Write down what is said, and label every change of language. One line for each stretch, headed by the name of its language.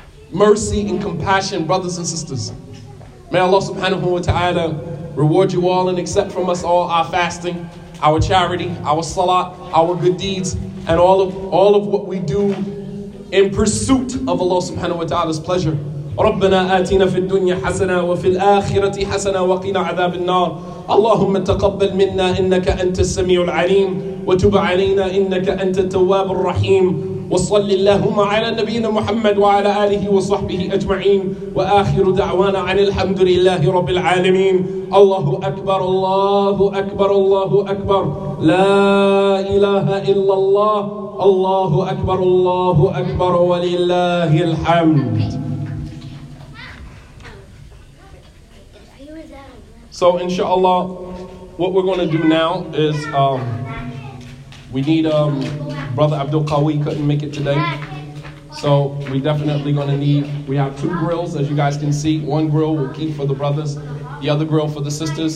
English: Mercy and compassion, brothers and sisters. May Allah subhanahu wa ta'ala reward you all and accept from us all our fasting, our charity, our salat, our good deeds, and all of what we do in pursuit of Allah subhanahu wa ta'ala's pleasure.
Arabic: ربنا آتنا في الدنيا حسنة وفي الآخرة حسنة وقنا عذاب النار اللهم تقبل منا إنك أنت السميع العليم وتب علينا إنك أنت التواب الرحيم وصل اللهم على نبينا محمد وعلى آله وصحبه أجمعين وآخر دعوانا عن الحمد لله رب العالمين الله أكبر الله أكبر الله أكبر لا إله إلا الله الله أكبر الله أكبر ولله الحمد.
English: So inshallah, what we're going to do now is we need Brother Abdul Qawi couldn't make it today. So we definitely going to need, we have two grills as you guys can see. One grill we'll keep for the brothers, the other grill for the sisters.